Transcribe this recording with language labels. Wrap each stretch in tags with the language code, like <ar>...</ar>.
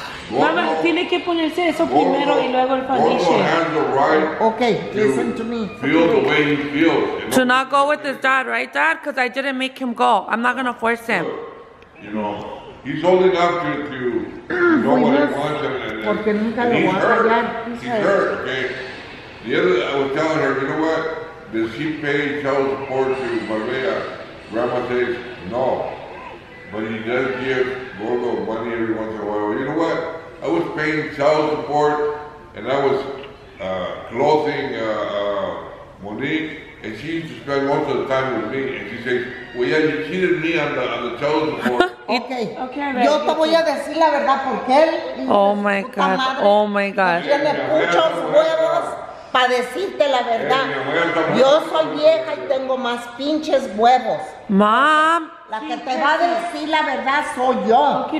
<es>Mama, tiene que ponerse eso primero y luego el foundation.</es> <en>Gordo has the right. Okay, listen to me. Feel the way he feels. To not go with his dad, right, Dad? Because I didn't make him go. I'm not going to force him. You know, he's old enough to know what he wants him. He's hurt, okay? The other day, I was telling her, you know what? Does he pay child support to Maria? Grandma says, no. But he does give Gordo money every once in a while. You know what? I was paying child support, and I was clothing Monique, and she used to spend most of the time with me, and she says, well, yeah, you cheated me on the child support. Okay.</en> <es>Yo te voy a decir la verdad porque él...</es> <en>Oh, my God. Oh, my God.</en> <es>Tiene muchos huevos para decirte la verdad. Yo soy vieja y tengo más pinches huevos.</es> <en>Mom.</en> <es>La que te va a decir la verdad soy yo.</es>